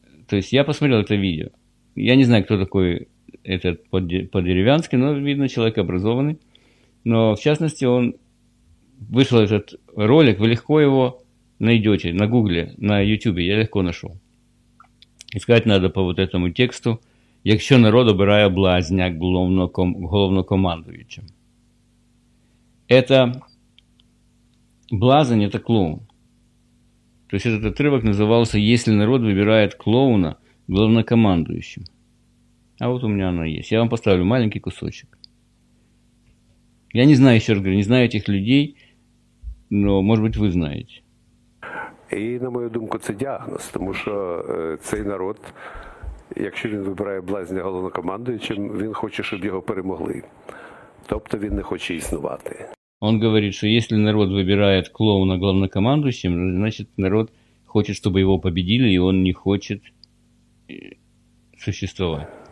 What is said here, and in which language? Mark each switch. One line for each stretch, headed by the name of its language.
Russian: То есть я посмотрел это видео. Я не знаю, кто такой этот по-деревьянски, но видно, человек образованный. Но в частности, он вышел этот ролик, вы легко его найдете на Гугле, на Ютубе, я легко нашел. Искать надо по вот этому тексту.
Ukrainian: «Якщо народ обирає блазня головнокомандуючим».
Russian: Это блазень, это клоун. То есть этот отрывок назывался «Если народ выбирает клоуна главнокомандующим». А вот у меня она есть. Я вам поставлю маленький кусочек. Я не знаю, еще раз говорю, не знаю этих людей, но, может быть, вы знаете.
Ukrainian: И, на мою думку,
Russian: это диагноз, потому что
Ukrainian: цей народ... Якщо він вибирає блазня головнокомандуючим, він хоче, щоб його перемогли. Тобто він не хоче існувати. Он говорить, що якщо народ вибирає клоуна головнокомандуючим, значить народ хоче, щоб його побідили, і він не хоче существувати.